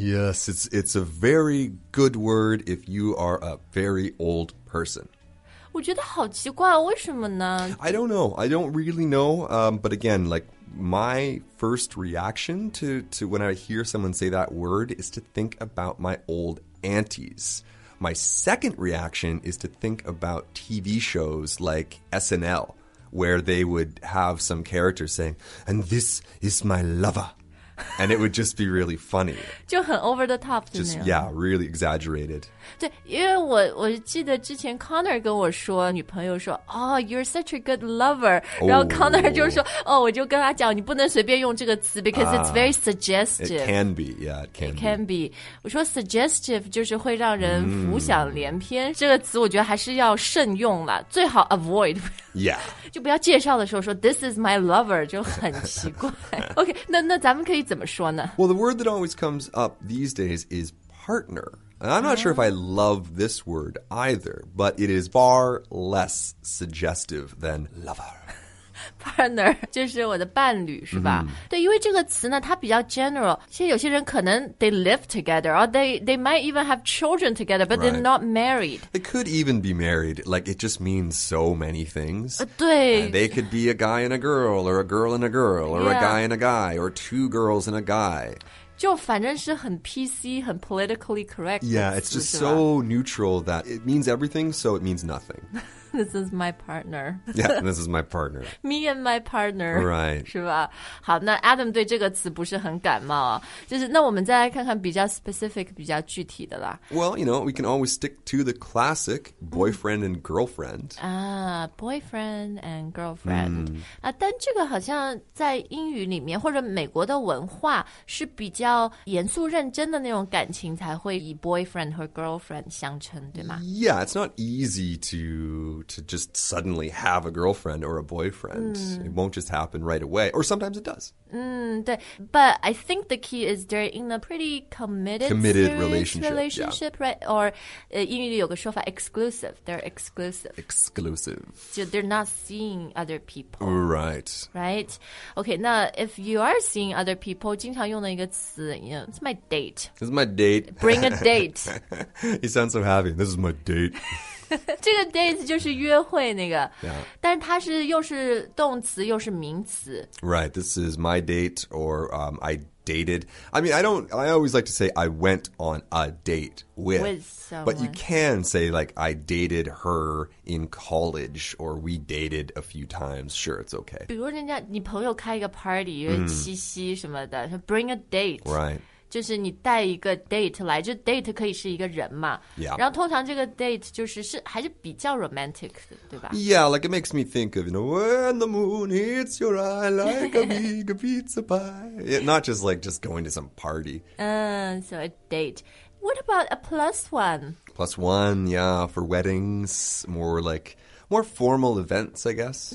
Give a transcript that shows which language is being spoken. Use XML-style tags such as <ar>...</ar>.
<en>Yes, it's a very good word if you are a very old person.</en> <zh>我觉得好奇怪，为什么呢？</zh> <en>I don't know. I don't really know. But again, like, my first reaction to when I hear someone say that word is to think about my old aunties. My second reaction is to think about TV shows like SNL, where they would have some characters saying, and this is my lover. And it would just be really funny.</en> <zh>就很</zh> <en>over the top</en> <zh>的那样。</zh> <en>Just, yeah, really exaggerated.</en> <zh>对，因为我记得之前 Connor 跟我说，女朋友说</zh> <en>Oh, you're such a good lover.</en> <zh>然后 Connor 就说 Oh, 我就跟他讲，你不能随便用这个词</zh> <en>Because it's very suggestive. It can be, yeah, it can be.</en> <zh>我说 suggestive 就是会让人浮想联翩、这个词我觉得还是要慎用了，最好 avoid.</zh> <en>Yeah.</en> <zh>就不要介绍的时候说</zh> <en>This is my lover,</en> <zh>就很奇怪。 OK, 那咱们可以怎么说呢？</zh> <en>Well, the word that always comes up these days is partner. And I'm not sure if I love this word either, but it is far less suggestive than lover.</en> <zh>Partner, 就是我的伴侣是吧、对，因为这个词呢它比较 general. 其实有些人可能</zh> <en>they live together, or they might even have children together, but、they're not married. They could even be married. Like, it just means so many things.</en> <zh>对。</zh> <en>They could be a guy and a girl, or a girl and a girl, or、a guy and a guy, or two girls and a guy.</en> <zh>就反正是很 PC, 很</zh> <en>politically correct. Yeah, it's just so neutral that it means everything, so it means nothing. This is my partner. Yeah, this is my partner. Me and my partner. Right.</en> <zh>是吧？好，那 Adam 对这个词不是很感冒啊。就是那我们再来看看比较 specific, 比较具体的啦。</zh> <en>Well, you know, we can always stick to the classic boyfriend and girlfriend. Boyfriend and girlfriend.</en> <zh>啊，但这个好像在英语里面或者美国的文化是比较严肃认真的那种感情才会以 boyfriend 和 girlfriend 相称，对吗？</zh> <en>Yeah, it's not easy to just suddenly have a girlfriend or a boyfriend. It won't just happen right away. Or sometimes it does.</en> <zh>对</zh> <en>But I think the key is they're in a pretty committed relationship、 yeah. right?</en> <zh>Or 英语里有个说法 exclusive.</zh> <en>They're exclusive. Exclusive. So they're not seeing other people. Right. Right. Okay, 那 if you are seeing other people,</en> <zh>经常用的一个词</zh> <en>you know, It's my date. Bring a date. You sound so happy. This is my date.</en> <zh>这个 date 就是约会那个、</zh> <en>yeah.</en> <zh>但是它是又是动词又是名词</zh> <en>Right, this is my date or、I dated I mean, I always like to say I went on a date with someone But you can say like I dated her in college Or we dated a few times Sure, it's okay</en> <zh>比如人家你朋友开一个 party 因为七夕什么的、</zh> <en>Bring a date Right</en> <zh>就是你带一个 date 来，就 date 可以是一个人嘛。</zh> <en>Yeah.</en> <zh>然后通常这个 date 就是还是比较 romantic 的，对吧</zh> <en>？Yeah, like it makes me think of you know when the moon hits your eye like a big pizza pie. Not just like just going to some party. So a date. What about a plus one? Plus one, yeah, for weddings, more like. More formal events, I guess.</en>